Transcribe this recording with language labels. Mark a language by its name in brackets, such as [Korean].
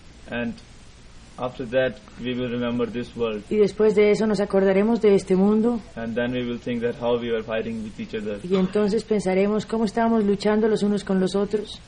[English] And after that we will remember this world. [Spanish] Y después de eso nos acordaremos de este mundo. [English] And then we will think that how we were fighting with each other. [Spanish] Y entonces pensaremos cómo estábamos luchando los unos con los otros.